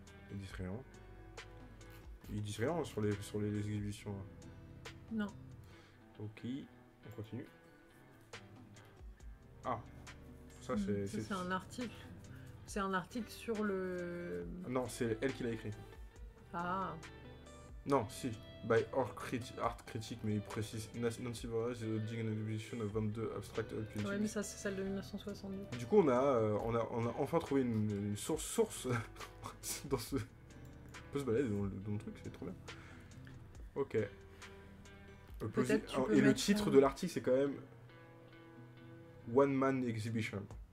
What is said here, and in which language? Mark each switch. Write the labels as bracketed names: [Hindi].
[French] Ils disent rien. Ils disent rien sur les exhibitions. Là. Non. Ok, on continue. Ah, ça c'est... Ça, c'est un article. C'est un article sur le... Non, c'est elle qui l'a écrit. Ah. Non, si. [English] By art critic, [French] mais il précise [English] Nancy Voorhees is holding an exhibition of 22 abstract paintings. [French] Ouais, mais ça c'est celle de 1962. Du coup, on a enfin trouvé une source dans ce. On peut se balader dans le truc, c'est trop bien. Ok. Et le titre de l'article, c'est quand même One Man Exhibition.